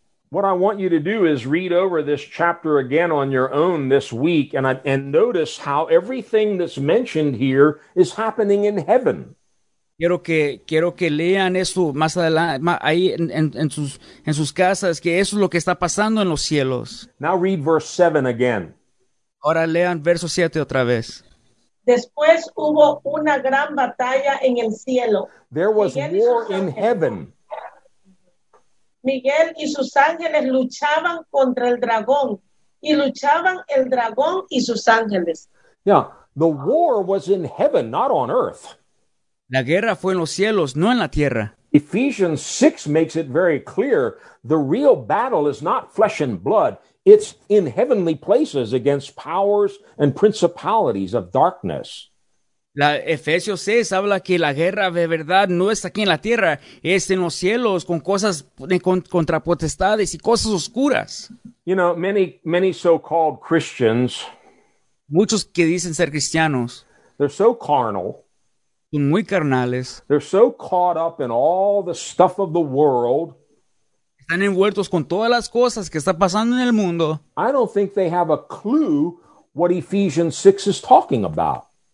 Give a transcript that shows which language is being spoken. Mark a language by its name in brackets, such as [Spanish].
[English] What I want you to do is read over this chapter again on your own this week and notice how everything that's mentioned here is happening in heaven. [Spanish] Quiero que lean eso más adelante ahí en sus casas, que eso es lo que está pasando en los cielos. [English] Now read verse 7 again. [Spanish] Ahora lean verso 7 otra vez. Después hubo una gran batalla en el cielo. [English] There was war in heaven. [Spanish] Miguel y sus ángeles luchaban contra el dragón, y luchaban el dragón y sus ángeles. [English] Yeah, the war was in heaven, not on earth. [Spanish] La guerra fue en los cielos, no en la tierra. [English] Ephesians 6 makes it very clear, the real battle is not flesh and blood, it's in heavenly places against powers and principalities of darkness. [Spanish] La Efesios 6 habla que la guerra de verdad no es aquí en la tierra, es en los cielos con cosas contra potestades y cosas oscuras. [English] You know, many so-called Christians, [Spanish] muchos que dicen ser cristianos, [English] they're so carnal, [Spanish] son muy carnales, [English] they're so caught up in all the stuff of the world, [Spanish] están envueltos con todas las cosas que está pasando en el mundo. [English] I don't think they have a clue what Ephesians 6 is talking about.